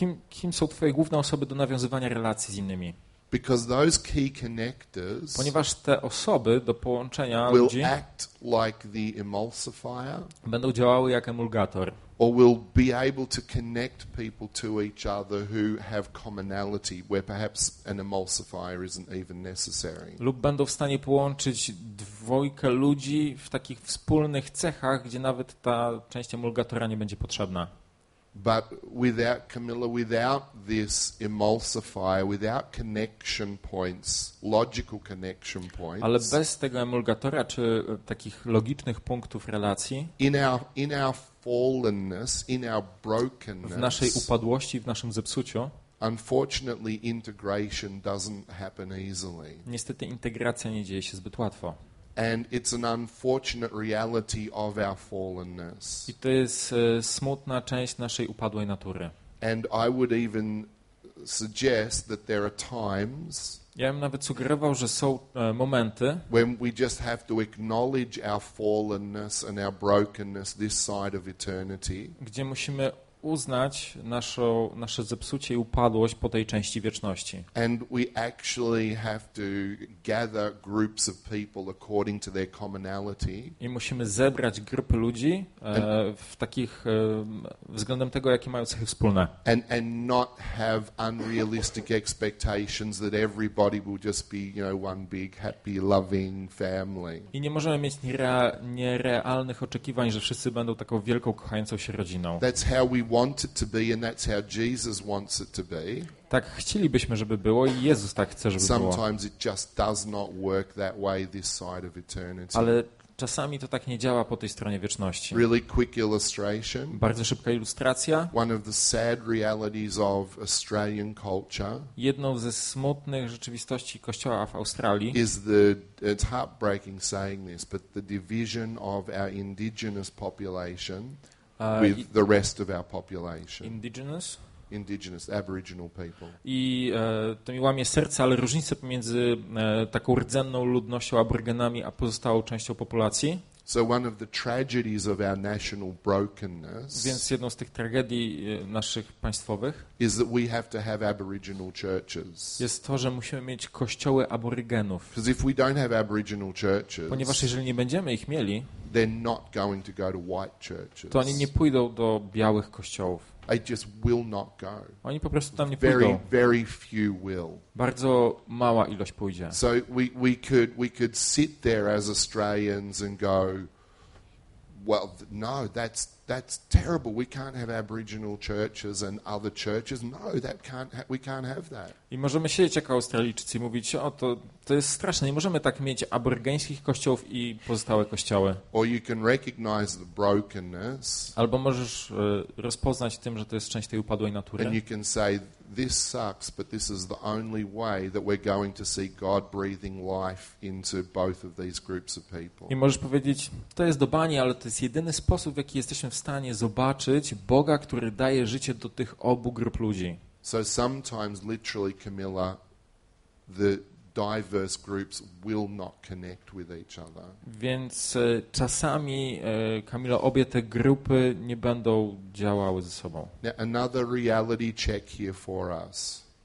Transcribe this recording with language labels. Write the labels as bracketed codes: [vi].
[pl] Kim są twoje główne osoby do nawiązywania relacji z innymi? [en] Because those key connectors, [pl] ponieważ te osoby do połączenia [en] will [pl] ludzi [en] act like the emulsifier, [pl] będą działały jak emulgator, [en] or will be able to connect people to each other who have commonality, where perhaps an emulsifier isn't even necessary. [pl] Lub będą w stanie połączyć dwójkę ludzi w takich wspólnych cechach, gdzie nawet ta część emulgatora nie będzie potrzebna. [en] But without Camilla, without this emulsifier, without connection points, logical connection points. [pl] Ale bez tego emulgatora czy takich logicznych punktów relacji. [en] In our fallenness, in our brokenness. [pl] W naszej upadłości, w naszym zepsuciu. [en] Unfortunately, integration doesn't happen easily. [pl] Niestety integracja nie dzieje się zbyt łatwo. [en] And it's an unfortunate reality of our fallenness. [pl] I to jest smutna część naszej upadłej natury. [en] And I would even suggest that there are times. [pl] Ja bym nawet sugerował, że są momenty. [en] When we just have to acknowledge our fallenness and our brokenness this side of eternity. [pl] Gdzie musimy uznać nasze zepsucie i upadłość po tej części wieczności. [en] And we actually have to gather groups of people according to their commonality. [pl] I musimy zebrać grupy ludzi w takich względem tego, jakie mają cechy wspólne. [en] And not have unrealistic expectations that everybody will just be, you know, one big happy loving family. [pl] I nie możemy mieć nierealnych oczekiwań, że wszyscy będą taką wielką kochającą się rodziną. [en] That's how we want it to be, and that's how Jesus wants it to be. [pl] Tak chcielibyśmy, żeby było, i Jezus tak chce, żeby [en] sometimes [pl] było. [en] Sometimes it just does not work that way this side of eternity. [pl] Ale czasami to tak nie działa po tej stronie wieczności. [en] Really quick illustration. [pl] Bardzo szybka ilustracja. [en] One of the sad realities of Australian culture. [pl] Jedną ze smutnych rzeczywistości kościoła w Australii. [en] It's heartbreaking saying this, but the division of our indigenous population with the rest of our population. Indigenous, aboriginal people. [pl] I to mi łamie serce, ale różnica pomiędzy taką rdzenną ludnością, aborygenami, a pozostałą częścią populacji. [en] So one of the tragedies of our national brokenness. [pl] Więc jedną z tych tragedii naszych państwowych [en] is that we have to have aboriginal churches. [pl] Jest to, że musimy mieć kościoły aborygenów. [en] Because if we don't have aboriginal churches, [pl] ponieważ jeżeli nie będziemy ich mieli, [en] they're not going to go to white churches. [pl] To oni nie pójdą do białych kościołów. [en] They just will not go. [pl] Oni po prostu tam nie pójdą. [en] Very, very few will. [pl] Bardzo mała ilość pójdzie. [en] So we could sit there as Australians and go, well, no, that's terrible. We can't have Aboriginal churches and other churches. No, we can't have that. [pl] I możemy siedzieć jako Australijczycy i mówić, o, to jest straszne. Nie możemy tak mieć aborygeńskich kościołów i pozostałe kościoły. [en] Or you can recognize the brokenness. [pl] Albo możesz rozpoznać tym, że to jest część tej upadłej natury. [en] And you can say, this sucks, but this is the only way that we're going to see God breathing life into both of these groups of people. [pl] I możesz powiedzieć, to jest do bani, ale to jest jedyny sposób, w jaki jesteśmy w stanie zobaczyć Boga, który daje życie do tych obu grup ludzi. [en] So sometimes literally, Camilla, the diverse groups will not connect with each other. [pl] Więc czasami, Kamilo, obie te grupy nie będą działały ze sobą. [en] Now, another reality check here for us.